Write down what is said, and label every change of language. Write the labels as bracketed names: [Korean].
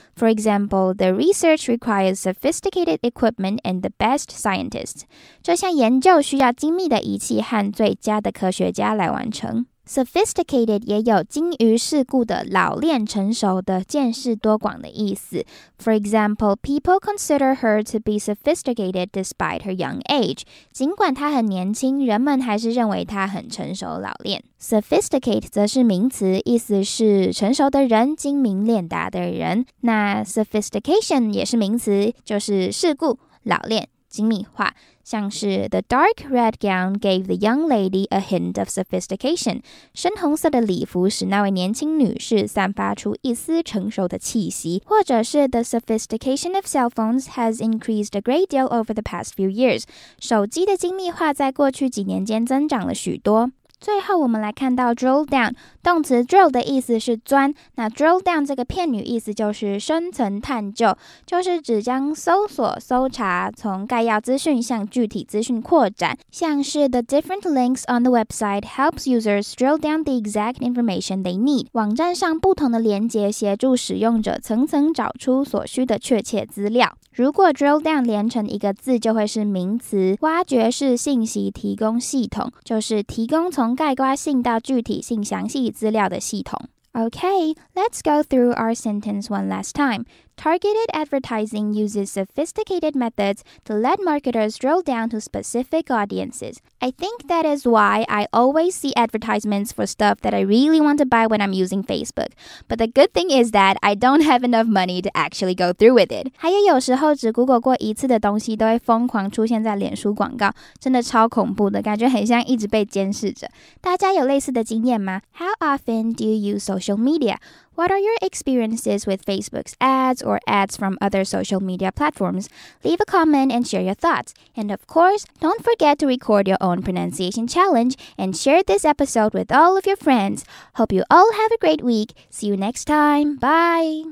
[English] For example, the research requires sophisticated equipment and the best scientists. [Chinese] 这项研究需要精密的仪器和最佳的科学家来完成。 Sophisticated 也有精于世故的、老练成熟的、见识多广的意思。 [English] For example, people consider her to be sophisticated despite her young age. [Chinese] 尽管她很年轻，人们还是认为她很成熟老练。 Sophisticate 则是名词，意思是成熟的人、精明练达的人。那 sophistication 也是名词，就是世故、老练、精密化。像是 [English] The dark red gown gave the young lady a hint of sophistication. [Chinese] 深红色的礼服使那位年轻女士散发出一丝成熟的气息。或者是 [English] The sophistication of cell phones has increased a great deal over the past few years. [Chinese] 手机的精密化在过去几年间增长了许多。最后我们来看到 drill down， 动词 drill 的意思是钻。那 drill down 这个片语意思就是深层探究，就是指将搜索、搜查从概要资讯向具体资讯扩展。像是 [English] the different links on the website helps users drill down the exact information they need， [Chinese] 网站上不同的连结协助使用者层层找出所需的确切资料。如果 drill down 连成一个字就会是名词，挖掘式信息提供系统，就是提供从概括性到具体性详细资料的系统。 [English] Okay, let's go through our sentence one last time. Targeted advertising uses sophisticated methods to let marketers drill down to specific audiences. I think that is why I always see advertisements for stuff that I really want to buy when I'm using Facebook. But the good thing is that I don't have enough money to actually go through with it. [Chinese] 还有时候只 Google 过一次的东西都会疯狂出现在脸书广告，真的超恐怖的，感觉很像一直被监视着。大家有类似的经验吗？ [English] How often do you use social media? What are your experiences with Facebook's ads or ads from other social media platforms? Leave a comment and share your thoughts. And of course, don't forget to record your own pronunciation challenge and share this episode with all of your friends. Hope you all have a great week. See you next time. Bye!